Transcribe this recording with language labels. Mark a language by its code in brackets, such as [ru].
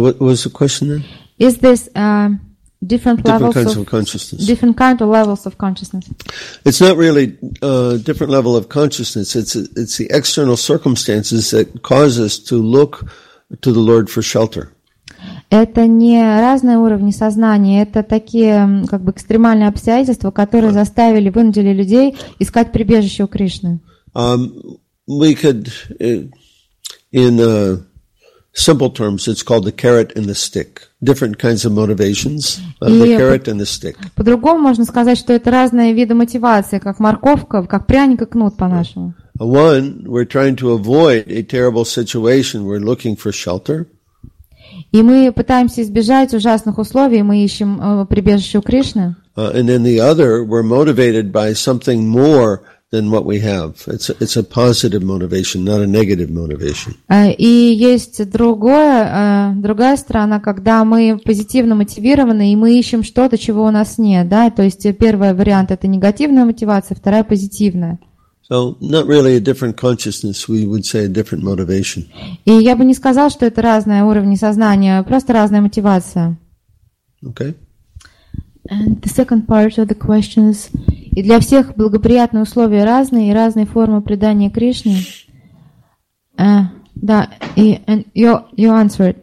[en] what was the question then? Is this different levels of consciousness? It's not really a different level of consciousness. It's the external circumstances that cause us to look to the Lord for shelter. [ru] Это не разные уровни сознания, это такие как бы экстремальные обстоятельства, которые заставили, вынудили людей искать прибежище у Кришны. [en] We could, in simple terms, it's called the carrot and the stick. Different kinds of motivations, the carrot and the stick. [ru] По-другому можно сказать, что это разные виды мотивации, как морковка, как пряник и кнут по-нашему. [en] One, we're trying to avoid a terrible situation, we're looking for shelter. [ru] И мы пытаемся избежать ужасных условий, мы ищем прибежище у Кришны. [en] And then the other, we're motivated by something more than what we have. It's a positive motivation, not a negative motivation. [ru] И есть другая сторона, когда мы позитивно мотивированы, и мы ищем что-то, чего у нас нет. Да? То есть первый вариант – это негативная мотивация, вторая – позитивная. [en] So, not really a different consciousness, we would say a different motivation. [ru] И я бы не сказал, что это разные уровни сознания, просто разная мотивация. [en] Okay. And the second part of the question is, [ru] и для всех благоприятные условия разные, и разные формы предания Кришне. [en] Да, and you answered.